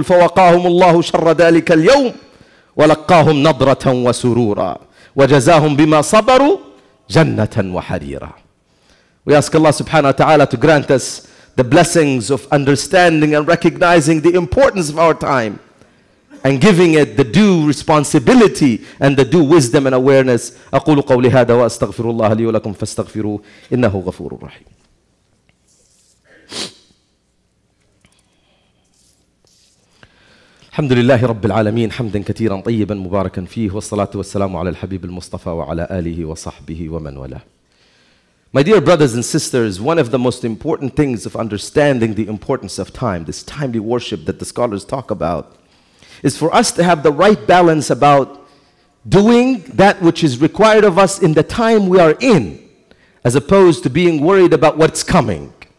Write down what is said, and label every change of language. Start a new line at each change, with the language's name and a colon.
Arabic: فَوَقَاهُمُ اللَّهُ شَرَّ ذَلِكَ الْيَوْمِ وَلَقَّاهُمْ نَضْرَةً وَسُرُورًا وَجَزَاهُمْ بِمَا صَبَرُوا جَنَّةً وَحَرِيرًا.
English: We ask Allah subhanahu wa ta'ala to grant us the blessings of understanding and recognizing the importance of our time and giving it the due responsibility and the due wisdom and awareness.
Arabic: أقول قولي هذا وأستغفر الله لي ولكم فاستغفروه إنه غفور رحيم. الحمد لله رب العالمين حمدا كثيرا طيبا مباركا فيه والصلاة والسلام على الحبيب المصطفى وعلى آله وصحبه ومن والاه.
English: My dear brothers and sisters, one of the most important things of understanding the importance of time, this timely worship that the scholars talk about, is for us to have the right balance about doing that which is required of us in the time we are in, as opposed to being worried about what's coming.